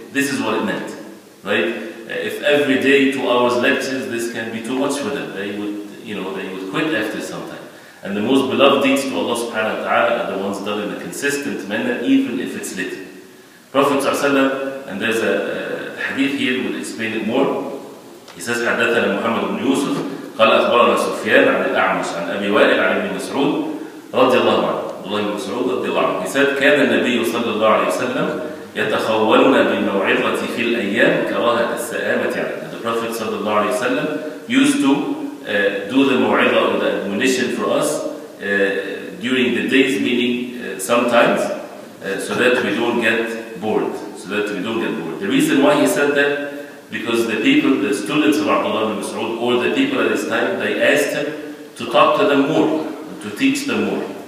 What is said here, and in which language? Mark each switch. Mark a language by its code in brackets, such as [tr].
[en] This is what it meant, right? If every day 2 hours lectures, this can be too much for them. They would quit after some time. And the most beloved deeds to Allah subhanahu wa ta'ala are the ones done in a consistent manner, even if it's little. Prophet ﷺ, and there's a hadith here, will explain it more. He says, [ar] حدثنا محمد بن يوسف قال أخبرنا سفيان عن الأعمش عن أبي وائل عن ابن مسعود رضي الله عنه. الله بن مسعود رضي الله عنه. [en] He said, [ar] كان النبي صلى الله عليه وسلم يتخولنا بالموعظة في الأيام كراهة السآمة عليه. [en] The Prophet صلى الله عليه وسلم used to do the موعظة or the admonition for us during the days, meaning sometimes, so that we don't get bored. So that we don't get bored. The reason why he said that, because the people, the students of Abdullah ibn Mas'ud, or the people at his time, they asked him to talk to them more, to teach them more.